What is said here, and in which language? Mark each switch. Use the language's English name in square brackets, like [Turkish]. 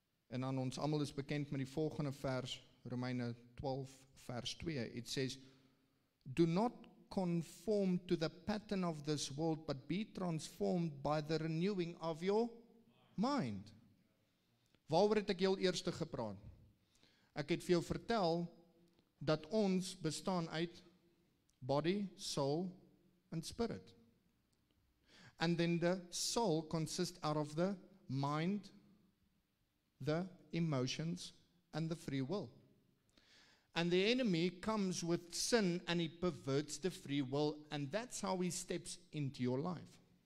[Afrikaans] En dan ons allemaal is bekend met die volgende vers, Romeine 12 vers 2. [English] It says, do not conform to the pattern of this world, but be transformed by the renewing of your mind. [Afrikaans] Waaroor het ek heel eerste gepraat? Ek het vir jou vertel, dat ons bestaan uit [English] body, soul, and spirit. And then the soul consists out of the mind, the emotions, and the free will. And the enemy comes with sin and he perverts the free will, and that's how he steps into your life.